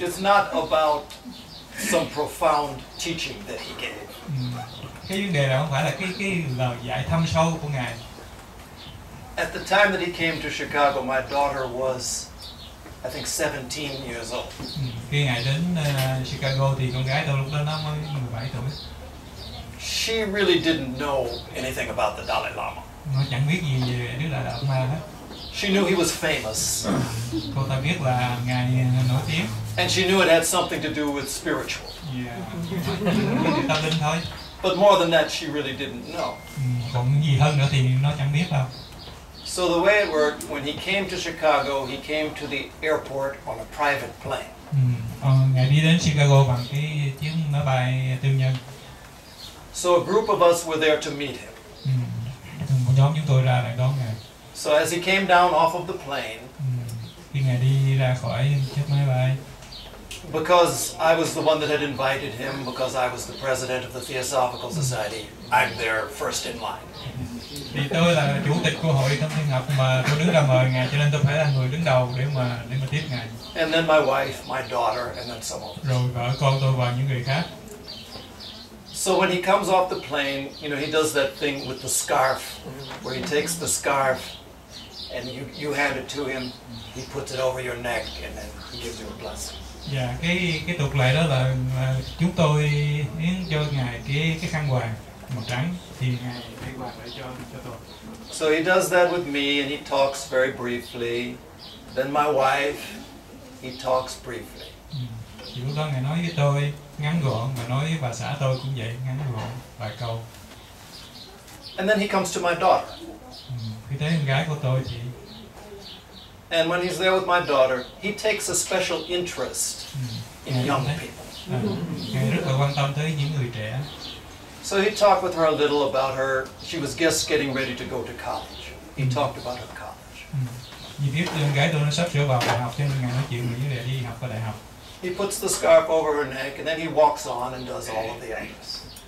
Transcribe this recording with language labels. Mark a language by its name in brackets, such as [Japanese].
[English] It's not about some profound teaching that he gave. [Vietnamese] Cái vấn đề là không phải là cái lời giải thâm sâu của Ngài. [English] At the time that he came to Chicago, my daughter was, I think, 17 years old. [Vietnamese] Khi Ngài đến Chicago thì con gái tôi lúc đó nó mới 17 tuổi. [English] She really didn't know anything about the Dalai Lama. [Vietnamese] Nó chẳng biết gì về Đức Đạt Ma hết. [English] She knew he was famous. [Vietnamese] Cô ta biết là ngài nổi tiếng. [English] And she knew it had something to do with spiritual. [Vietnamese] Yeah. Tâm linh thôi. [English] But more than that, she really didn't know. [Vietnamese] Còn gì hơn nữa thì nó chẳng biết đâu. [English] So the way it worked, when he came to Chicago, he came to the airport on a private plane. [Vietnamese] Ngài đi đến Chicago bằng cái chuyến máy bay tư nhân. [English] So a group of us were there to meet him. [Vietnamese] Nhóm chúng tôi ra để đón ngài. [English] So as he came down off of the plane, [Vietnamese] khi ngài đi ra khỏi chiếc máy bay, [English] because I was the one that had invited him, because I was the president of the Theosophical Society, I'm there first in line. [Vietnamese] Vì tôi là chủ tịch của hội thâm thiên học mà tôi đứng ra mời ngài, cho nên tôi phải là người đứng đầu để mà tiếp ngài. [English] And then my wife, my daughter, and then some others. [Vietnamese] Rồi vợ con tôi và những người khác. [English] So when he comes off the plane, you know, he does that thing with the scarf, where he takes the scarf and you hand it to him, he puts it over your neck and then he gives you a blessing. [Vietnamese] Yeah, cái tục lệ đó là chúng tôi hiến cho ngài cái khăn quàng màu trắng thì ngài thay quàng lại cho tôi. [English] So he does that with me and he talks very briefly. Then my wife, he talks briefly. [Vietnamese] Thì lúc đó ngài nói với tôi ngắn gọn, mà nói với bà xã tôi cũng vậy, ngắn gọn vài câu. [English] And then he comes to my daughter. [Vietnamese] Khi tới con gái của tôi thì... [English] And when he's there with my daughter, he takes a special interest in young people. [Vietnamese] Ngài rất là quan tâm tới những người trẻ. [English] So he talked with her a little about her. She was just getting ready to go to college. He talked about her college. He puts the scarf over her neck and then he walks on and does all of the others.